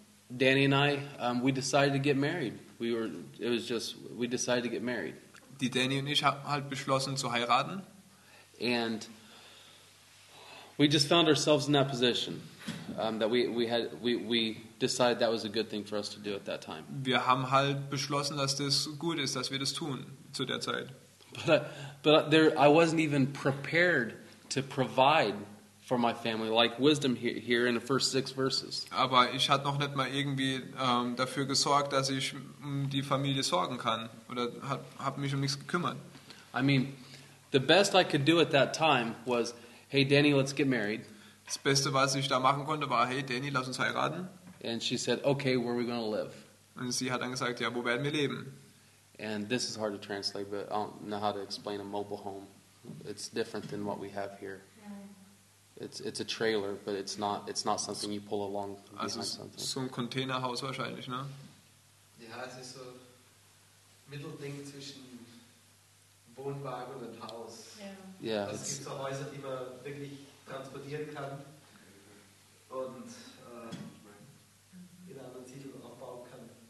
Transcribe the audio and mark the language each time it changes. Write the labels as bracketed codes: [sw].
[en] Danny and I we decided to get married. We decided to get married. [de] Die Danny und ich haben halt beschlossen zu heiraten. [en] And we just found ourselves in that position that we decided that was a good thing for us to do at that time. [de] Wir haben halt beschlossen, dass das gut ist, dass wir das tun zu der Zeit. [en] But I wasn't even prepared to provide for my family like wisdom here in the first six verses. [de] Aber ich hatte noch nicht mal irgendwie dafür gesorgt, dass ich die Familie sorgen kann oder hab mich um nichts gekümmert. [en] I mean, the best I could do at that time was, hey Danny, let's get married. [de] Das Beste, was ich da machen konnte, war, hey Danny, lass uns heiraten. [en] And she said, okay, where are we going to live? [de] Und sie hat dann gesagt, ja, wo werden wir leben? [en] And this is hard to translate, but I don't know how to explain a mobile home. It's different than what we have here. It's a trailer, but it's not something you pull along behind [de] also [en] something. [de] So ein Containerhaus wahrscheinlich, ne? Ja, es ist so Mittelding zwischen Wohnwagen und Haus. [en] Yeah. [de] Also es gibt so Häuser, die man wirklich transportieren kann und in anderen Titeln auch bauen kann.